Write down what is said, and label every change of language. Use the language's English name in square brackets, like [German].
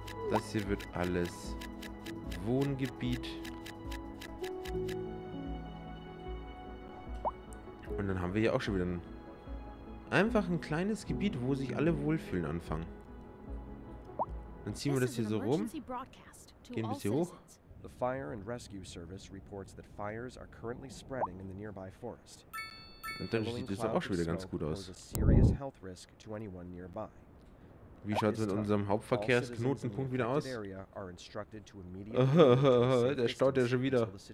[German] Das hier wird alles Wohngebiet. Und dann haben wir hier auch schon wieder einfach ein kleines Gebiet, wo sich alle wohlfühlen anfangen. Dann ziehen wir das hier so rum. Gehen bis hier hoch. [English] The Fire and Rescue Service reports that fires are currently spreading in the nearby forest. [German] Und dann sieht das auch schon wieder ganz gut aus. Wie schaut es mit unserem Hauptverkehrsknotenpunkt wieder aus? Der staut ja schon wieder.